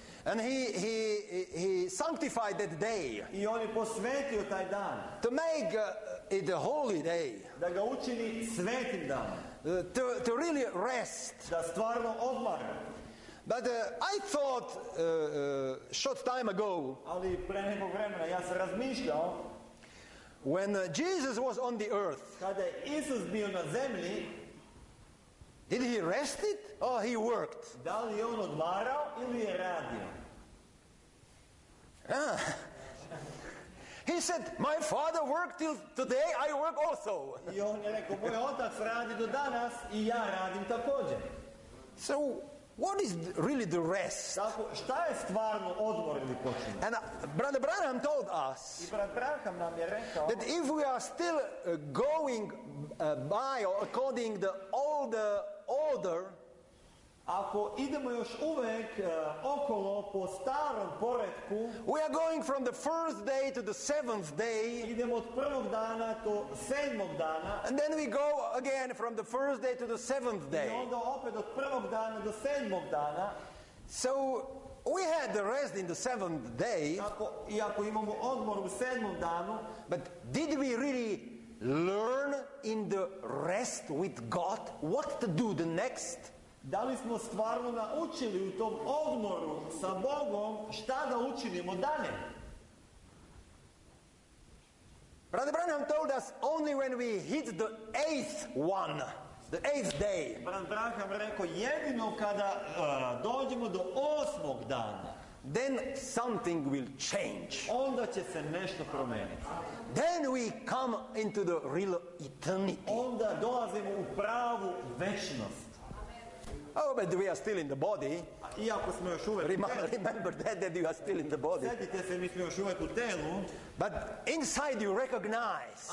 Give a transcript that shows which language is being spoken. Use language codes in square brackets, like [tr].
[en] And he sanctified that day. [sr] I on je posvetio taj dan. [en] To make it a holy day. [sr] Da ga učini svetim danom. [en] To really rest. [sr] Da stvarno odmara. [en] But I thought short time ago, [sr] ali pre nekog vremena ja sam razmišljao, [en] when Jesus was on the earth, [sr] kada Isus bio na zemlji, [en] did he rest it or he worked? [sr] Da li on odmarao ili je radio? [en] He said, my father worked till today, I work also. [sr] I on je rekao, moj otac radi do danas i ja radim također. [en] So what is really the rest? [sr] Tako, šta je stvarno odmor ili počinak? [en] And Brother Branham told us, [sr] i Brat Branham nam je rekao, [en] that if we are still going by or according the older order, [sr] ako idemo još uvek okolo po starom poretku, [en] we are going from the first day to the seventh day, [sr] idemo od prvog dana do sedmog dana, [en] and then we go again from the first day to the seventh day, [sr] i onda opet od prvog dana do sedmog dana. [en] So we had the rest in the seventh day, [sr] iako imamo odmor u sedmom danu, [en] but did we really learn in the rest with God what to do the next? [sr] Da li smo stvarno naučili u tom odmoru sa Bogom šta da učinimo dalje? [en] Brother Branham told us only when we hit the eighth one, the eighth day. [sr] Brother Branham rekao jedino kada dođemo do osmog dana, [en] then something will change. [sr] Onda će se nešto promeniti. [en] Then we come into the real eternity. [sr] Onda dolazimo u pravu večnost. [en] Oh, but we are still in the body. [sr] Iako smo još uvek u telu. [en] Remember that you are still in the body. [sr] Sjetite se, mi smo još uvek u telu. [en] But inside you recognize.